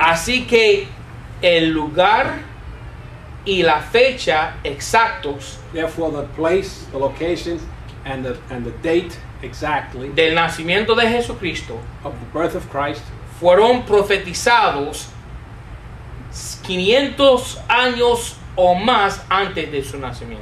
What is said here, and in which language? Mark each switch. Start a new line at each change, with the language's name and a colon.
Spanish: Así que el lugar y la fecha exactos,
English: therefore the place, the location, and the date exactly,
Spanish: del nacimiento de Jesucristo,
English: of the birth of Christ,
Spanish: fueron profetizados 500 años o más antes de su nacimiento.